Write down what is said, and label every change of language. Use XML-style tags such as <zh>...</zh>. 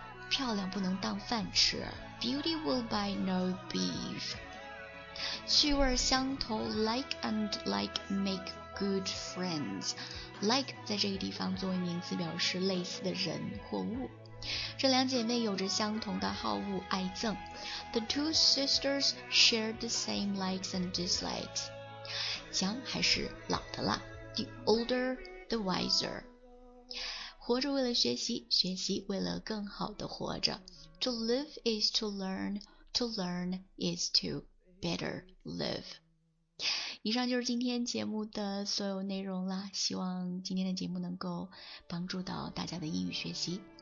<zh>漂亮不能当饭吃</zh> <en>beauty will buy no beef</en> <zh>趣味相投</zh> <en>like and like make good friendsLike</en> <zh>在这个地方作为名词表示类似的人或物。这两姐妹有着相同的好恶爱憎。</zh> <en>The two sisters share the same likes and dislikes.</en> <zh>姜还是老的辣。</zh> <en>The older, the wiser.</en> <zh>活着为了学习，学习为了更好的活着。</zh> <en>To live is to learn is to better live.</en> <zh>以上就是今天节目的所有内容啦，希望今天的节目能够帮助到大家的英语学习。</zh>